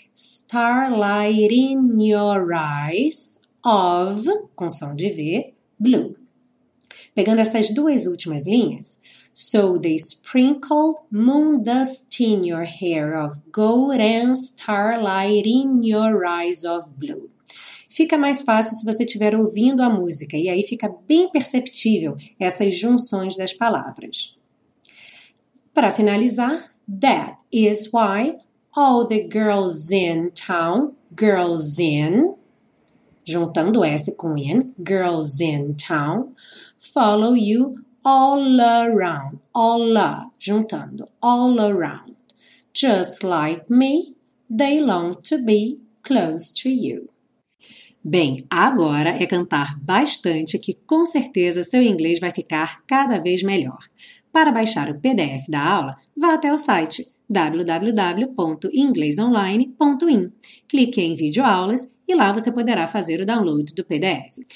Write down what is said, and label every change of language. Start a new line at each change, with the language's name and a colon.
English: Starlight in your eyes of,
Portuguese: com som de V, blue. Pegando essas duas últimas linhas,
English: So they sprinkled moon dust in your hair of gold and starlight in your eyes of blue.
Portuguese: Fica mais fácil se você estiver ouvindo a música, e aí fica bem perceptível essas junções das palavras. Para finalizar,
English: that is why all the girls in town, girls in,
Portuguese: juntando S com in,
English: girls in town, follow you all around, all, juntando, all around. Just like me, they long to be close to you.
Portuguese: Bem, agora é cantar bastante que com certeza seu inglês vai ficar cada vez melhor. Para baixar o PDF da aula, vá até o site www.inglesonline.in. Clique em videoaulas e lá você poderá fazer o download do PDF.